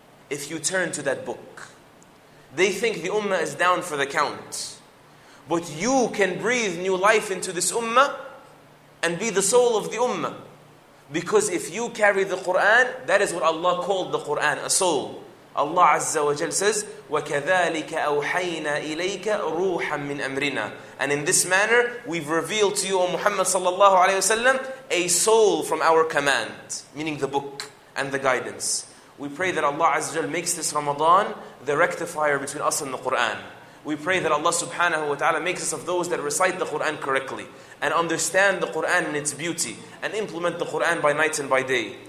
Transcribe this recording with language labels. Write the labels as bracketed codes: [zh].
[en] If you turn to that book. They think the ummah is down for the count. But you can breathe new life into this ummah and be the soul of the ummah. Because if you carry the Qur'an, that is what Allah called the Qur'an, a soul. Allah Azza wa Jal says, [ar] وَكَذَلِكَ أَوْحَيْنَا إِلَيْكَ رُوحًا مِّنْ أَمْرِنَا. [en] And in this manner, we've revealed to you, O Muhammad sallallahu alayhi wasallam, a soul from our command, meaning the book and the guidance. We pray that Allah Azza wa Jal makes this Ramadan the rectifier between us and the Qur'an. We pray that Allah subhanahu wa ta'ala makes us of those that recite the Qur'an correctly and understand the Qur'an in its beauty and implement the Qur'an by night and by day.